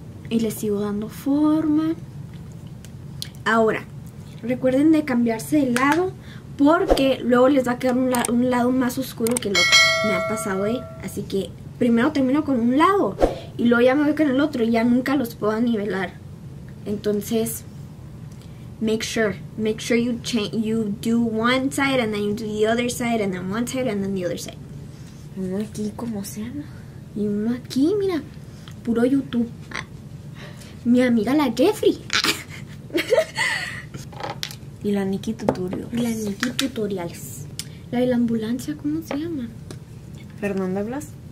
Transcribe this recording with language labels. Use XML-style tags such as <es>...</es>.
<es>Y le sigo dando forma. Ahora, recuerden de cambiarse de lado porque luego les va a quedar un lado más oscuro que lo que me ha pasado, ¿eh? Así que primero termino con un lado y luego ya me voy con el otro y ya nunca los puedo nivelar. Entonces,</es> <en>make sure you change, you do one side and then you do the other side and then one side and then the other side.</en> <es>Uno aquí como sea, ¿no? Y uno aquí, mira, puro YouTube. Mi amiga la Jeffrey. Y la Nikki Tutorials. La de la ambulancia, ¿cómo se llama? ¿Fernanda Blas?</es>